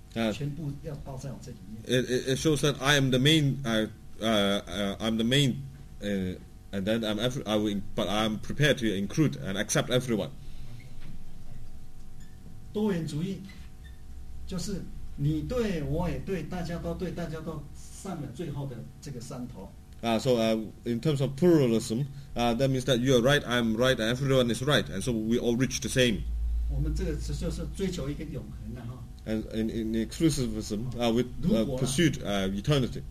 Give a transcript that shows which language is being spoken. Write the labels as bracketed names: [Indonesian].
[Chinese] 我这是就是说这个主主体啊，只有包容是也是以我为主体哦，那别人就是融入包进来，全部要包在我这里面。 [English] It shows that I am the main. I'm the main. And then I'm prepared to include and accept everyone. [Chinese] 多元主义就是你对我也对大家都对大家都上了最后的这个山头。 [English] In terms of pluralism, that means that you are right, I'm right, and everyone is right, and so we all reach the same. [Chinese] 我们这个就是追求一个永恒的哈。 [English] And in exclusivism, pursued eternity.